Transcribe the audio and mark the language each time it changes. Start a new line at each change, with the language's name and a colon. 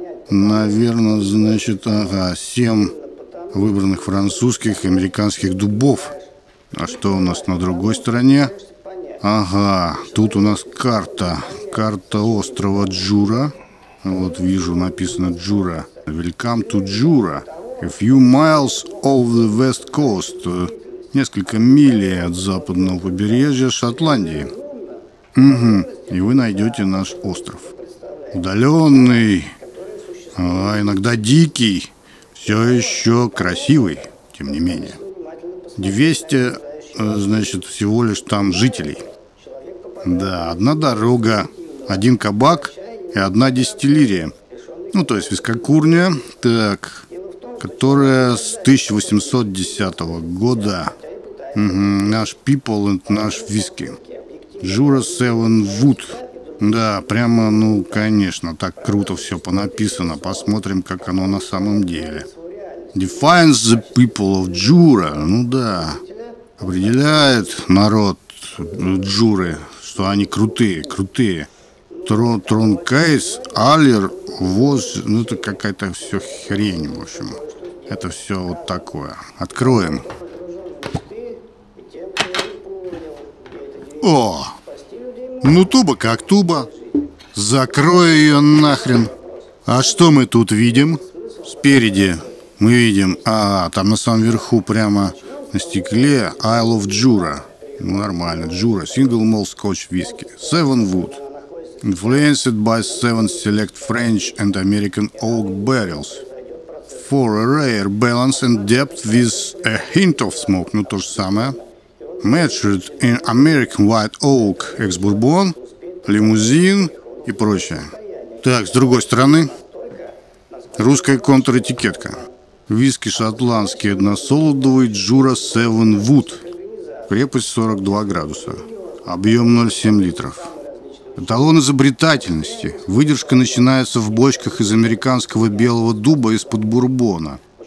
Russian: Наверное, значит, ага, семь выбранных французских и американских дубов. А что у нас на другой стороне? Ага, тут у нас карта. Карта острова Джура. Вот вижу, написано Джура.
English: Welcome to Jura. A few miles off the west coast.
Russian: Несколько миль от западного побережья Шотландии. Угу, и вы найдете наш остров. Удаленный, а иногда дикий. Все еще красивый, тем не менее. 200, значит, всего лишь там жителей. Да, одна дорога, один кабак и одна дистиллерия. Ну, то есть вискокурня, так, которая с 1810 года. Наш
English: people and
Russian: наш виски.
English: Jura Seven Wood.
Russian: Да, прямо, ну, конечно, так круто все понаписано. Посмотрим, как оно на самом деле.
English: Defines the people of Jura.
Russian: Ну да, определяет народ Джуры, что они крутые, крутые. Трункейс, аллер, воз, ну это какая-то все хрень, в общем. Это все вот такое. Откроем. О! Ну туба как туба. Закрой ее нахрен. А что мы тут видим? Спереди мы видим, там на самом верху прямо на стекле Isle of Jura. Ну нормально,
English: Jura, Single Malt Scotch Whiskey, Seven Wood. Influenced by seven select French and American oak barrels. For a rare balance and depth with a hint of smoke.
Russian: Ну то же самое.
English: Matured in American white oak, ex-bourbon, limousine
Russian: и прочее. Так, с другой стороны. Русская контр-этикетка. Виски шотландский односолодовый Jura Seven Wood. Крепость 42 градуса. Объем 0,7 литров. Эталон изобретательности. Выдержка начинается в бочках из американского белого дуба из-под бурбона.